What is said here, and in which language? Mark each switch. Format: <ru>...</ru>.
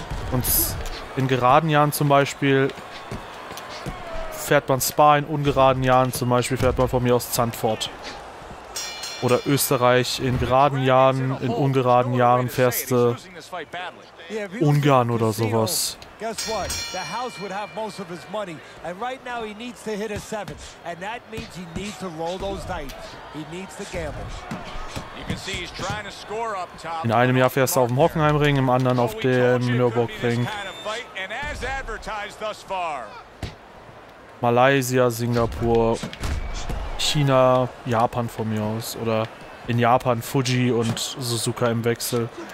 <de>Und in geraden Jahren zum Beispiel fährt man Spa, in ungeraden Jahren zum Beispiel fährt man von mir aus Zandvoort. Oder Österreich, in geraden Jahren, in ungeraden Jahren fährst du Ungarn oder sowas.</de> <en>Guess what? The house would have most of his money. And right now he needs to hit a seven. And that means he needs to roll those dice. He needs to gamble. You can see he's trying to score up top.</en> <de>In einem Jahr fährst du auf dem Hockenheimring, im anderen auf dem Nürburgring.</de> <en>And as advertised thus far. Malaysia, Singapur, China, Japan</en> <de>von mir aus. Oder in Japan Fuji und Suzuka im Wechsel.</de>